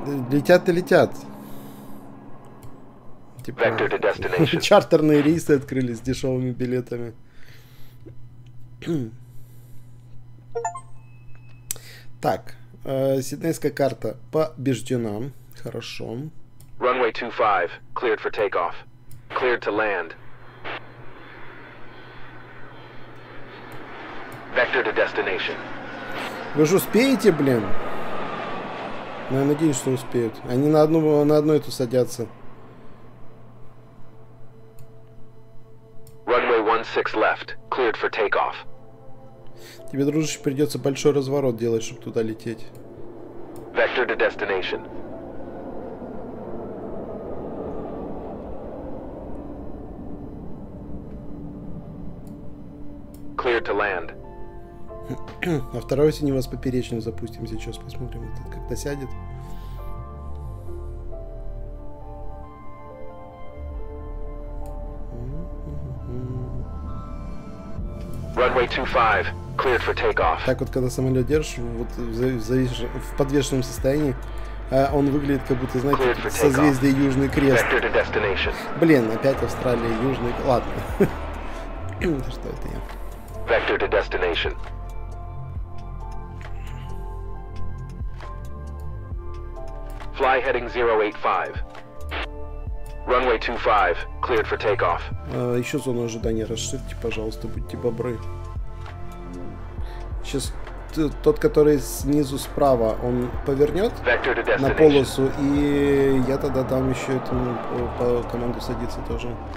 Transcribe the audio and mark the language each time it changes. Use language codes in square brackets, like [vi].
[ru] Летят и летят. Типа, чартерные рейсы открылись с дешевыми билетами. Так, сиднейская карта побеждена. Хорошо. [en] Runway 25, cleared for takeoff. Cleared to land. Vector to destination. [ru] Вы же успеете, блин? Ну, я надеюсь, что успеют. Они на одну эту садятся. [en] Runway 16 left, cleared for takeoff. [ru] Тебе, дружище, придется большой разворот делать, чтобы туда лететь. [en] Vector to destination. Clear to land. [ru] А второй осень у вас поперечным запустим. Сейчас посмотрим, этот как-то сядет. [en] Runway 25, cleared for takeoff. [ru] Так вот, когда самолет держишь, вот в подвешенном состоянии, он выглядит, как будто, знаете, созвездие Южный Крест. Блин, опять Австралия, Южный... Ладно. Да что это я? [en] Vector to destination. Fly heading 085. Runway 25, cleared for takeoff. [ru] Еще зону ожидания расширьте, пожалуйста, будьте бобры. Сейчас тот, который снизу справа, он повернет на полосу, и я тогда дам еще этому по команду садиться тоже.